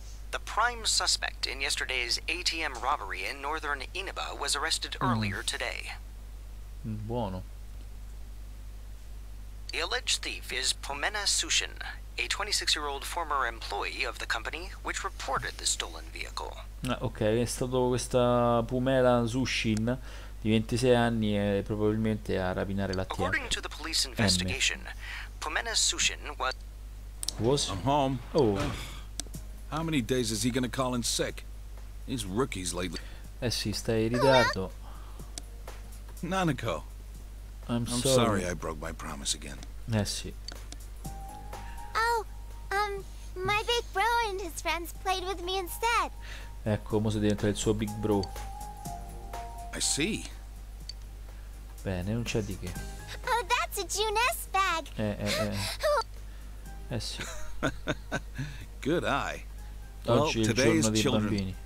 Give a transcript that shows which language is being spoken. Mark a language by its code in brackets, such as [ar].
[en] The prime suspect in yesterday's ATM robbery in Northern Inaba was arrested earlier today. [it] Buono. [en] The alleged thief is Pomena Sushin, a 26-year-old former employee of the company which reported the stolen vehicle. [it] Ah, ok, è stato questa Pomena Sushin di 26 anni e probabilmente a rapinare la tia. [en] According to the police investigation, Pomena Sushin was... Was? I'm home. Oh. How many days is he gonna call in sick? He's rookies lately. [it] Eh sì, stai in ritardo. [en] Nanako. I'm sorry I broke my promise again. [it] Eh sì. [en] Oh, my big bro and his friends played with me instead. [it] Ecco, mo si diventa il suo [en] big bro. I see. [it] Bene, non c'è di che. [en] Oh, that's a Juness bag. [it] Eh sì. [en] Good eye. [it] Oggi è il giorno dei bambini.